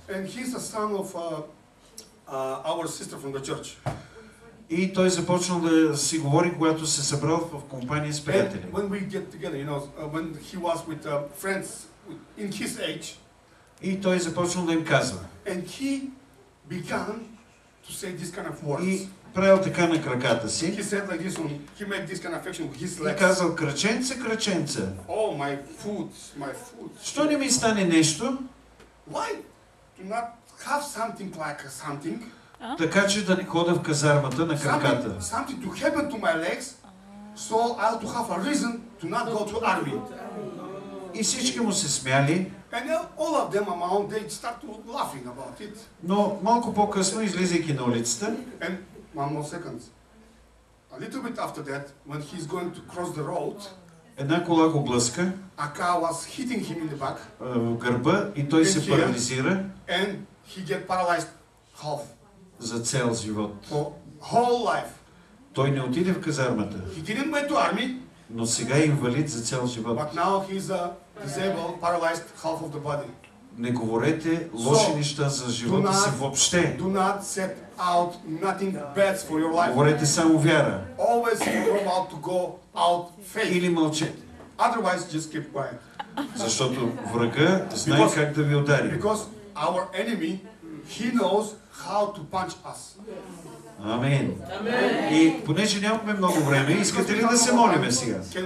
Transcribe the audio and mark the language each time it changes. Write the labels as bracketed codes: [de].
[en] And he's a son of our sister from the church. [bg] И той започнал да си говори, когато се събрал в компания с приятели. [en] And when we get together, you know, when he was with friends, in his age. [bg] И той започнал да им казва. [en] And he began to say this kind of words. [bg] И правил така на краката си. [en] He said like this one. He made this kind of action with his legs. [bg] И казал, краченце, краченце. [en] Oh, my foot, my foot. [bg] Що не ми стане нещо? [en] Why do not have something like something? [bg] Така че да не ходя в казармата на краката. [en] Something to happen to my legs, so I'll to have a reason to not go to army. [bg] И всички му се смяли. [en] And all of them among they start laughing about it. [bg] Но малко по-късно, излизайки на улицата, [en] and one more second. A little bit after that, when he's going to cross the road, [bg] една кола го блъска. [en] A car was hitting him in the back. [bg] В гърба и той се парализира. [en] And he get paralyzed half. [bg] За цял живот. [en] For whole life. [bg] Той не отиде в казармата. [en] He didn't go to army. [bg] Но сега е инвалид за цял живот. [en] But now he's a disabled, paralyzed half of the body. [bg] Не говорете лоши неща за живота си въобще. [en] Do not set out nothing bad for your life. [bg] Говорете само вяра. [en] Always from out to go out faith. [bg] Или мълчете. [en] Otherwise just keep quiet. [bg] Защото врага знае [en] because, [bg] как да ви удари. [en] Because our enemy, he knows how to punch us. [bg] Амин. И понеже нямаме много време, искате ли да се молиме сега?